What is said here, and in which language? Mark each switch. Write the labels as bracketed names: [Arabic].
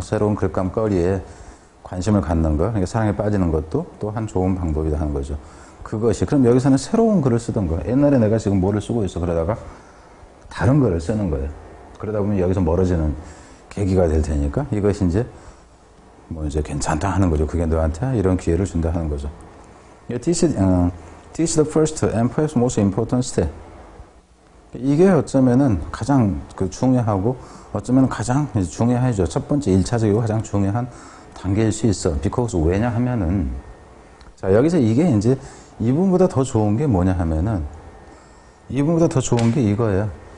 [Korean] 새로운 글감거리에 관심을 갖는 거, 그러니까 사랑에 빠지는 것도 또한 좋은 방법이다 하는 거죠. 그것이 그럼 여기서는 새로운 글을 쓰던 거야. 옛날에 내가 지금 뭐를 쓰고 있어. 그러다가 다른 글을 쓰는 거예요. 그러다 보면 여기서 멀어지는 계기가 될 테니까 이것이 이제 뭐 이제 괜찮다 하는 거죠. 그게 너한테 이런 기회를 준다 하는 거죠. [English] This is the first and perhaps most important step. [Korean] 이게 어쩌면은 가장 그 중요하고 어쩌면 가장 중요하죠. 첫 번째 1차적이고 가장 중요한 단계일 수 있어. Because 왜냐 하면은 자 여기서 이게 이제 이분보다 더 좋은 게 뭐냐 하면은 이분보다 더 좋은 게 이거예요.